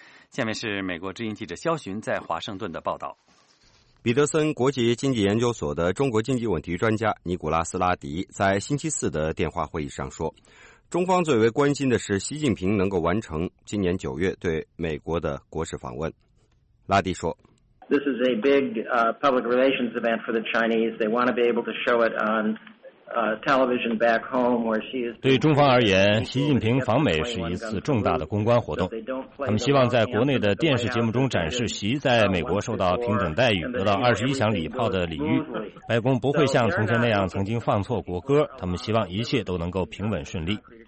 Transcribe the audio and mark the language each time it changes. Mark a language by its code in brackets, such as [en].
[zh] 下面是美国之音记者肖寻在华盛顿的报道。彼得森国际经济研究所的中国经济问题专家尼古拉斯拉迪在星期四的电话会议上说，中方最为关心的是习近平能够完成今年九月对美国的国事访问。拉迪说， [en] This is a big public relations event for the Chinese. They want to be able to show it on television back home where she is. [zh] 对中方而言，习近平访美是一次重大的公关活动。他们希望在国内的电视节目中展示习在美国受到平等待遇，得到二十一响礼炮的礼遇。白宫不会像从前那样曾经放错国歌。他们希望一切都能够平稳顺利。